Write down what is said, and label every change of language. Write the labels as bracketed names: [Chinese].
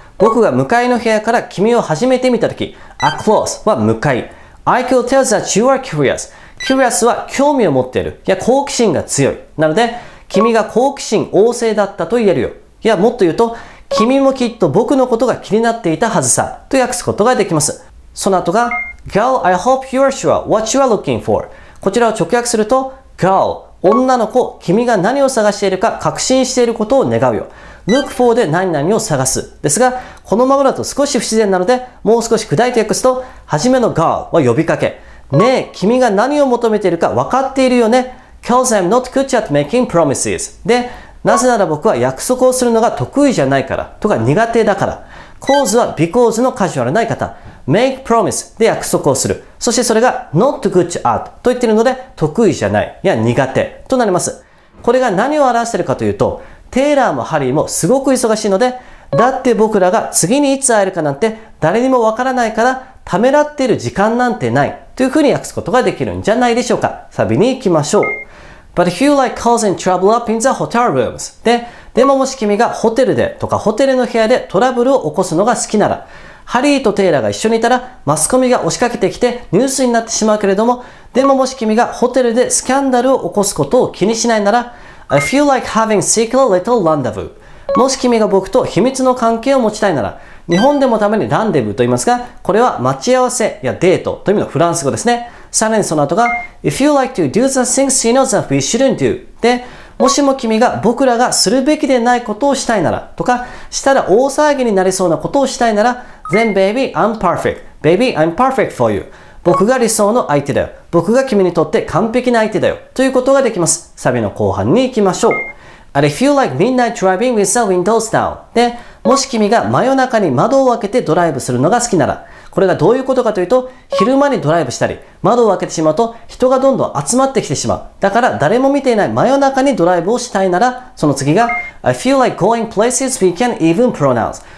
[Japanese] 僕が向かいの部屋から君を初めて見たとき、Across は向かい。 [English] I could tell that you are curious. Curious [Japanese] は興味を持っている。いや、好奇心が強い。なので、君が好奇心旺盛だったと言えるよ。いや、もっと言うと、君もきっと僕のことが気になっていたはずさ、と訳すことができます。その後が、 [English] Girl, I hope you are sure what you are looking for. [Japanese] こちらを直訳すると、Girl, 女の子、君が何を探しているか確信していることを願うよ。 [English] Look for [Japanese] で何々を探す。ですが、このままだと少し不自然なので、もう少し砕いて訳すと、はじめの Girl は呼びかけ。ねえ、君が何を求めているか分かっているよね。 [English] Cause I'm not good at making promises. [Japanese] で、なぜなら僕は約束をするのが得意じゃないからとか苦手だから。 Cause は because のカジュアルな言い方。 [English] Make promise [Japanese] で約束をする。そしてそれが [English] not good at [Japanese] と言っているので得意じゃない。いや苦手となります。これが何を表しているかというと、テイラーもハリーもすごく忙しいので、だって僕らが次にいつ会えるかなんて誰にもわからないからためらっている時間なんてないというふうに訳すことができるんじゃないでしょうか。サビに行きましょう。 [English] But Hugh like causing trouble up in the hotel rooms. [Japanese] でも、もし君がホテルでとかホテルの部屋でトラブルを起こすのが好きなら、ハリーとテイラーが一緒にいたらマスコミが押しかけてきてニュースになってしまうけれども、でももし君がホテルでスキャンダルを起こすことを気にしないなら、 [English] I feel like having secret little rendezvous。 [Japanese] もし君が僕と秘密の関係を持ちたいなら、日本でもたまにランデブーと言いますが、これは待ち合わせやデートという意味のフランス語ですね。さらにその後が [English] If you like to do the things you know that we shouldn't do。 [Japanese] で、もしも君が僕らがするべきでないことをしたいならとか、したら大騒ぎになりそうなことをしたいなら、 [English] Then baby, I'm perfect. Baby, I'm perfect for you. [Japanese] 僕が理想の相手だよ。僕が君にとって完璧な相手だよ。ということができます。サビの後半に行きましょう。 [English] And if you like midnight driving with the windows down. [Japanese] で、もし君が真夜中に窓を開けてドライブするのが好きなら、これがどういうことかというと、昼間にドライブしたり、窓を開けてしまうと人がどんどん集まってきてしまう。だから誰も見ていない真夜中にドライブをしたいなら、その次が、 [English] I feel like going places we can't even pronounce。